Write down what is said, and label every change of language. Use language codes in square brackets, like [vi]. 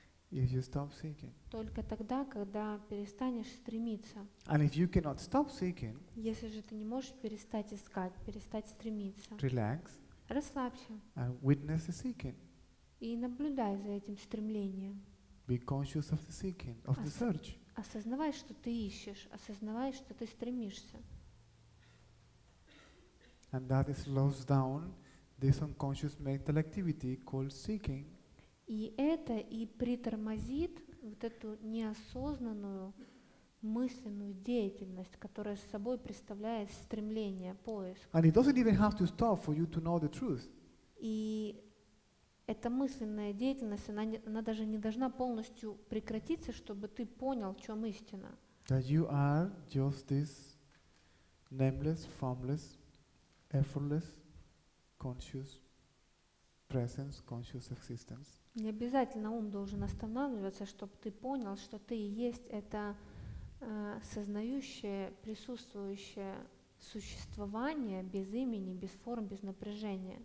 [en] If you stop seeking. [ru] Только тогда, когда перестанешь стремиться. [en] And if you cannot stop seeking. [ru] Если же ты не можешь перестать искать, перестать стремиться. [en] Relax. [ru] Расслабься. [en] And witness the seeking. [ru] И наблюдай за этим стремлением. [en] Be conscious of the seeking, of the search. [ru] Осознавай, что ты ищешь, осознавай, что ты стремишься. [en] And that is slows down this unconscious mental activity called seeking. [ru] И это и притормозит вот эту неосознанную мысленную деятельность, которая с собой представляет стремление, поиск. [en] And it doesn't even have to stop for you to know the truth. [ru] И эта мысленная деятельность, она даже не должна полностью прекратиться, чтобы ты понял, в чем истина. [en] That you are just this nameless, formless, effortless, conscious presence, conscious existence. [ru] Не обязательно ум должен останавливаться, чтобы ты понял, что ты и есть это сознающее, присутствующее существование без имени, без форм, без напряжения.